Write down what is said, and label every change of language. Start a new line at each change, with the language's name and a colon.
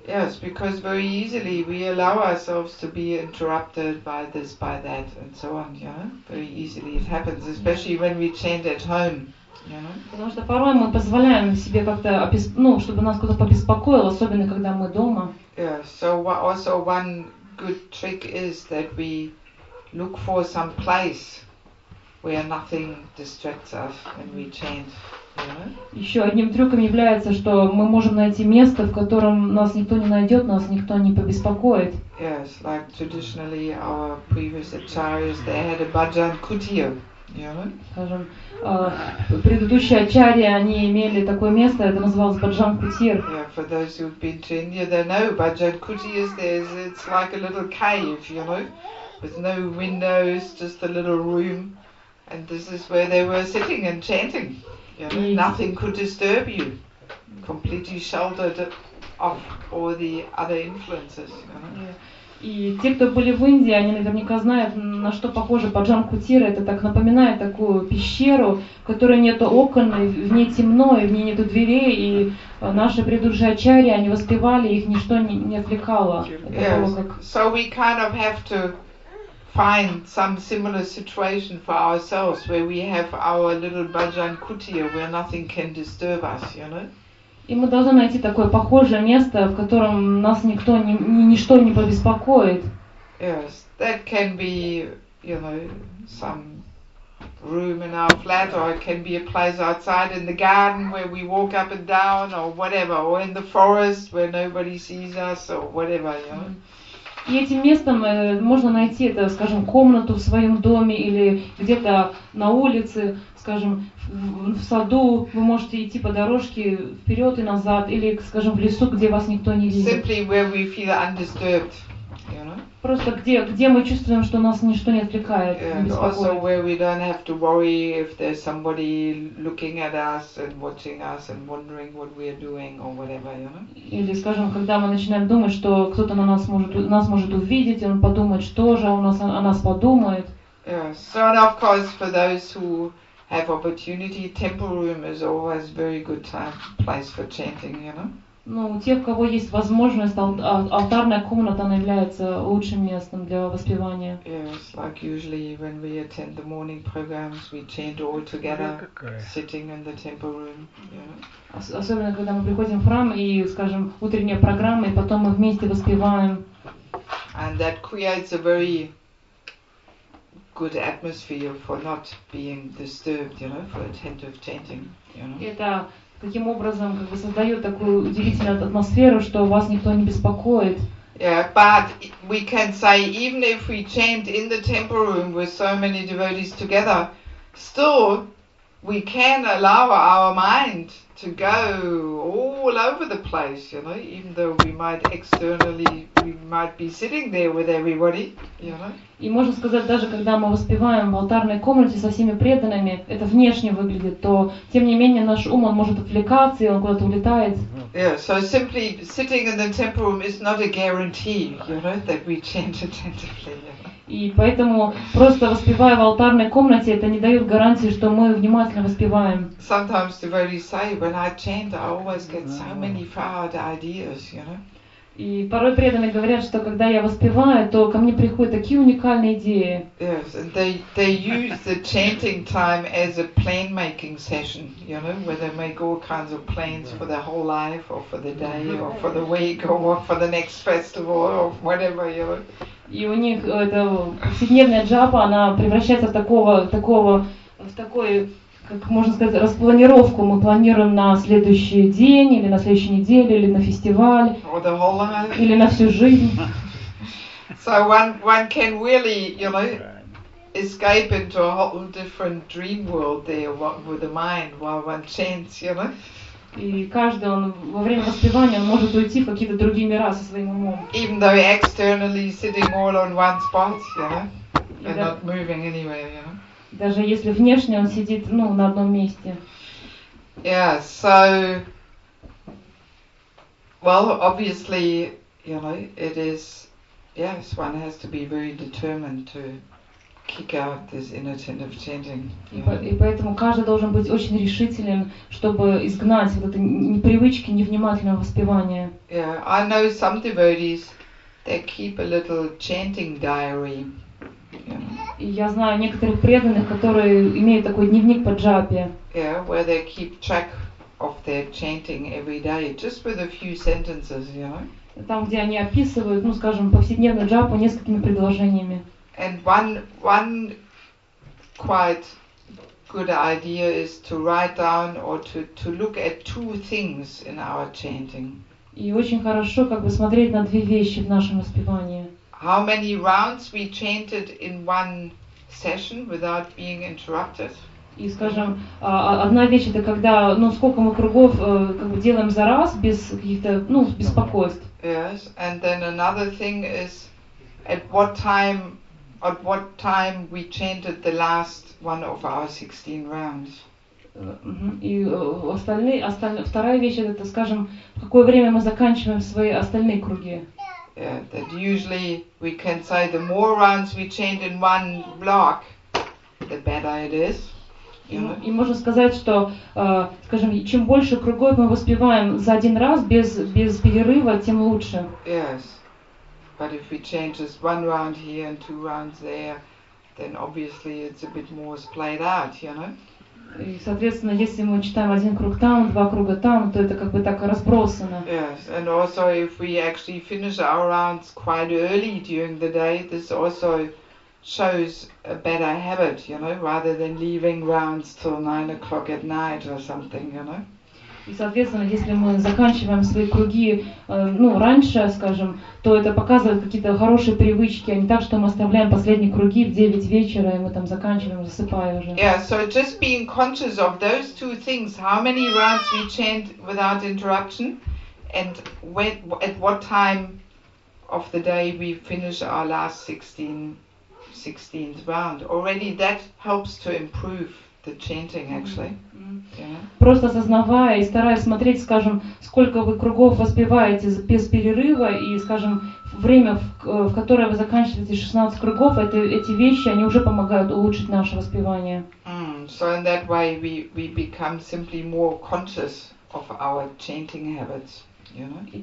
English: Yes, because very easily we allow ourselves to be interrupted by this, by that, and so on. Yeah, very easily it happens, especially when we chant at home. Yeah.
Russian: Потому что порой мы позволяем себе как-то чтобы нас кто-то побеспокоил, особенно когда мы дома.
English: Yeah. So also one good trick is that we look for some place where nothing distracts us when we chant.
Russian: Еще одним трюком является, что мы можем найти место, в котором нас никто не найдет, нас никто не побеспокоит.
English: Yes, like traditionally our previous acharyas, they had a bhajan kutir. You know?
Russian: Скажем, предыдущие ачарьи, они имели такое место, это называлось bhajan kutir.
English: Yeah, for those who've been to India, they know bhajan kutir is, it's like a little cave, you know, with no windows, just a little room, and this is where they were sitting and chanting. Yeah, nothing could disturb you. Completely sheltered off all the other influences.
Russian: И те, кто были в Индии, они наверняка знают, на что похоже bhajan kutir. Это так напоминает такую пещеру, в которой нету окон, в ней темно, и в ней нету дверей. И наши предыдущие ачарьи, они воспевали, их ничто не отвлекало.
English: So we kind of have to find some similar situation for ourselves where we have our little bhajan kutir where nothing can disturb us, you know?
Russian: И мы должны найти такое похожее место, в котором нас никто ничто не побеспокоит.
English: Yes, that can be, you know, some room in our flat, or it can be a place outside in the garden where we walk up and down, or whatever, or in the forest where nobody sees us, or whatever, you know?
Russian: И этим местом можно найти, это, скажем, комнату в своем доме или где-то на улице, скажем, в саду. Вы можете идти по дорожке вперед и назад или, скажем, в лесу, где вас никто не видит.
English: Simply where we feel undisturbed, you know?
Russian: Просто где мы чувствуем, что нас ничто не отвлекает, не беспокоит.
English: And also where we don't have to worry if there's somebody looking at us and watching us and wondering what we're doing or whatever, you know?
Russian: Или, скажем, когда мы начинаем думать, что кто-то на нас может увидеть, и он подумает, что же о нас подумает.
English: Yes. So, and of course, for those who have opportunity, temple room is always very good time, place for chanting, you know?
Russian: Ну, у тех, у кого есть возможность, алтарная комната, она является лучшим местом для воспевания.
English: Yes, like usually when we attend the morning programs, we chant all together, sitting in the temple room. Yeah.
Russian: Особенно, когда мы приходим в храм и, скажем, утренняя программа, и потом мы вместе воспеваем.
English: And that creates a very good atmosphere for not being disturbed, you know, for attentive chanting, you know.
Russian: Таким образом, как бы создает такую удивительную атмосферу, что вас никто не беспокоит.
English: Yeah, but we can say, even if we chant in the temple room with so many devotees together, still we can allow our mind to go all over the place, you know, even though we might externally, we might be sitting there with everybody, you know.
Russian: И можно сказать, даже когда мы воспеваем в алтарной комнате со всеми преданными, это внешне выглядит, то, тем не менее, наш ум, он может отвлекаться, и он куда-то улетает.
English: Yeah, so simply sitting in the temple room is not a guarantee, you know, that we chant attentively, you know.
Russian: И поэтому, просто воспевая в алтарной комнате, это не дает гарантии, что мы внимательно воспеваем.
English: Sometimes devotees say, when I chant, I always get so many fired ideas, you know.
Russian: И порой преданные говорят, что когда я воспеваю, то ко мне приходят такие уникальные идеи.
English: Yes, and they use the chanting time as a plan-making session, you know, where they make all kinds of plans for their whole life, or for the day, or for the week, or for the next festival, or whatever, you know.
Russian: И у них эта повседневная джапа, она превращается в такой как можно сказать, распланировку. Мы планируем на следующий день, или на следующей неделе, или на фестиваль, или на всю жизнь.
English: So one can really, you know, escape into a whole different dream world there with the mind while one chants, you know.
Russian: И каждый он во время воспевания может уйти в какие-то другие мира со своим умом.
English: Even though he externally sitting all on one spot, you know, and not moving anywhere, you know.
Russian: Даже если внешне он сидит, ну, на одном месте.
English: Yeah, so, well, obviously, you know, it is, yes, one has to be very determined to kick out this inattentive chanting.
Russian: И поэтому каждый должен быть очень решителен, чтобы изгнать вот это непривычки, невнимательного воспевания.
English: Yeah, I know some devotees, they keep a little chanting diary.
Russian: И я знаю некоторых преданных, которые имеют такой дневник по джапе.
English: Yeah, where they keep track of their chanting every day, just with a few sentences, you know.
Russian: Там, где они описывают, ну, скажем, повседневную джапу несколькими предложениями.
English: And one quite good idea is to write down or to look at two things in our chanting.
Russian: И очень хорошо как бы смотреть на две вещи в нашем воспевании.
English: How many rounds we chanted in one session without being interrupted?
Russian: И скажем, одна вещь это когда, ну, сколько мы кругов как бы делаем за раз без каких-то, ну, беспокойств.
English: Yes, and then another thing is at what time we chanted the last one of our 16 rounds.
Russian: И вторая вещь это, скажем, в какое время мы заканчиваем свои остальные круги.
English: Yeah, that usually we can say the more rounds we chant in one block, the better it is.
Russian: И можно сказать, что, скажем, чем больше кругов мы воспеваем за один раз без перерыва, тем лучше.
English: Yes, but if we chant just one round here and two rounds there, then obviously it's a bit more splayed out, you know.
Russian: И, соответственно, если мы читаем один круг там, два круга там, то это как бы так разбросано.
English: Yes, and also if we actually finish our rounds quite early during the day, this also shows a better habit, you know, rather than leaving rounds till 9 o'clock at night or something, you know.
Russian: И, соответственно, если мы заканчиваем свои круги, ну, раньше, скажем, то это показывает какие-то хорошие привычки, а не так, что мы оставляем последние круги в 9 вечера, и мы там заканчиваем, засыпая уже.
English: Yeah, so just being conscious of those two things, how many rounds we chant without interruption, and when, at what time of the day we finish our last 16th round. Already that helps to improve the chanting, actually.
Russian: Просто осознавая и стараясь смотреть, скажем, сколько вы кругов воспеваете без перерыва, и, скажем, время, в которое вы заканчиваете 16 кругов, эти вещи, они уже помогают улучшить наше воспевание.
English: So in that way we become simply more conscious of our chanting habits, you know?